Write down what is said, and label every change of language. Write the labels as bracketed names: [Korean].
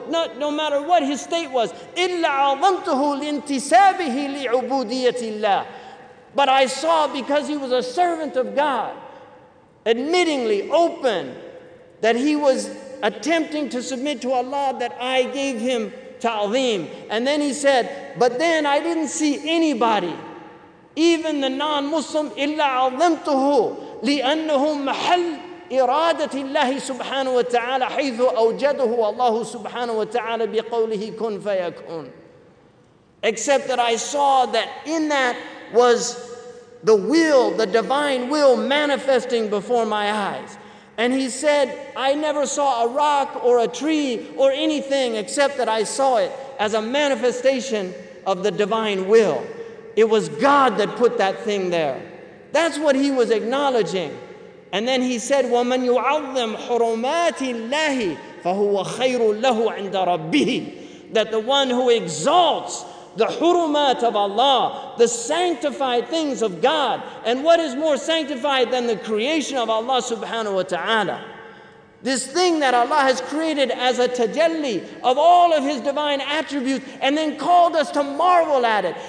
[English] No matter what his state was, [Arabic] إِلَّا عَظَمْتُهُ لِانْتِسَابِهِ لِعُبُودِيَةِ اللَّهِ. [English] But I saw, because he was a servant of God, admittingly open, that he was attempting to submit to Allah, that I gave him ta'zeem. And then he said, but then I didn't see anybody, even the non-Muslim, [Arabic] إِلَّا عَظَمْتُهُ لِأَنَّهُ مَحَلْ إِرَادَةِ اللَّهِ سُبْحَانَهُ وَتَعَالَى حَيْثُ أَوْجَدَهُ اللَّهُ سُبْحَانَهُ وَتَعَالَى بِقَوْلِهِ كُنْ فَيَكُنْ. [English] Except that I saw that in that was the will, the divine will manifesting before my eyes. And he said, I never saw a rock or a tree or anything except that I saw it as a manifestation of the divine will. It was God that put that thing there. That's what he was acknowledging. And then he said, [Arabic] وَمَنْ يُعَظِّمْ حُرُمَاتِ اللَّهِ فَهُوَ خَيْرٌ لَهُ عِنْدَ رَبِّهِ. [English] That the one who exalts the hurumat of Allah, the sanctified things of God. And what is more sanctified than the creation of Allah subhanahu wa ta'ala? This thing that Allah has created as a tajalli of all of His divine attributes and then called us to marvel at it.